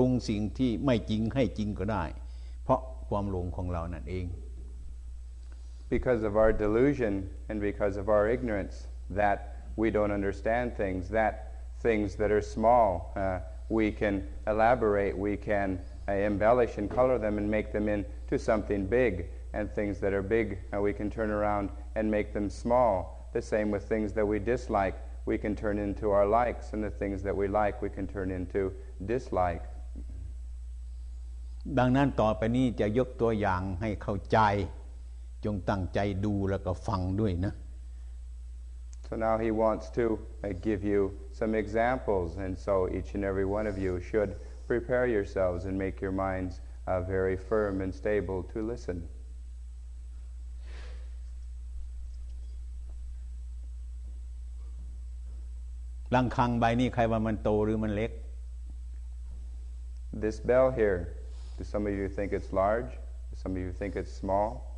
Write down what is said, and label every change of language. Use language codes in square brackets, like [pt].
[th] รุงสิ่งที่ไม่จริงให้จริงก็ได้เพราะความหลงของเรานั่นเอง [en] Because of our delusion and because of our ignorance that we don't understand things that things that are small we can elaborate we can embellish and color them and make them into something big and things that are big we can turn around and make them small the same with things that we dislike we can turn into our likes and the things that we like we can turn into dislike [th] ดังนั้นต่อไปนี้จะยกตัวอย่างให้เข้าใจจงตั้งใจดูแล้วก็ฟังด้วยนะ [en] So now he wants to give you some examples and so each and every one of you should prepare yourselves and make your minds very firm and stable to listen [th] ลังคังใบนี้ใครว่ามันโตหรือมันเล็ก [en] This bell here do some of you think it's large do some of you think it's small